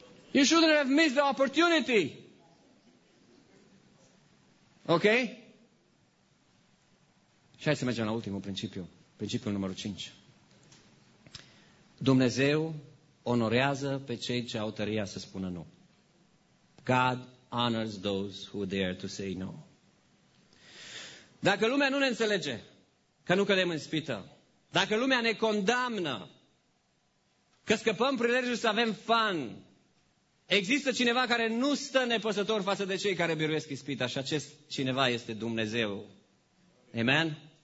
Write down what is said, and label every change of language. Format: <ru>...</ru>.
<en>You shouldn't have missed the opportunity.</en> <ro>Ok? Și hai să mergem la ultimul principiu. Principiul numărul 5. Dumnezeu onorează pe cei ce au tăria să spună nu.</ro> <en>God honors those who dare to say no.</en> <ro>Dacă lumea nu ne înțelege că nu cădem în spită, dacă lumea ne condamnă că scăpăm prilejul să avem fun, există cineva care nu stă nepăsător față de cei care biruiesc ispita și acest cineva este Dumnezeu. Amen?</ro>